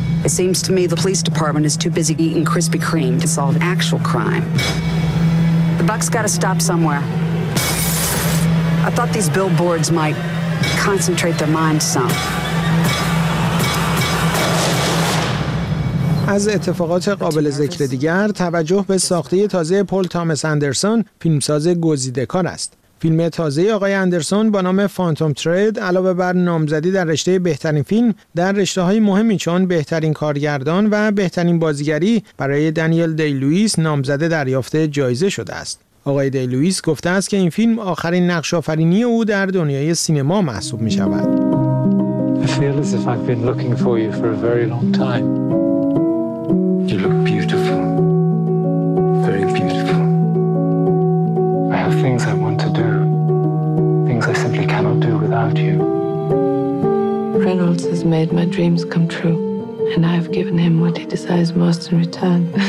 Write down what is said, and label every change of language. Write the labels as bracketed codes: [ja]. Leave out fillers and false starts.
[en] It seems to me the police department is too busy eating Krispy Kreme to solve actual crime. The buck's got to stop somewhere. I thought these billboards might concentrate their minds some. [fa] از اتفاقات قابل ذکر دیگر توجه به ساخته تازه پل تامس اندرسون فیلمساز گزیده کار است. فیلم تازه آقای اندرسون با نام فانتوم ترید علاوه بر نامزدی در رشته بهترین فیلم در رشته های مهمی چون بهترین کارگردان و بهترین بازیگری برای دانیل دی‌لوئیس نامزده دریافت جایزه شده است. آقای دی‌لوئیس گفته است که این فیلم آخرین نقش آفرینی او در دنیای سینما محسوب می شود. [en] You look beautiful, very beautiful. I have things I want to do, things I simply cannot do without you. Reynolds has made my dreams come true, and I have given him what he desires most in return.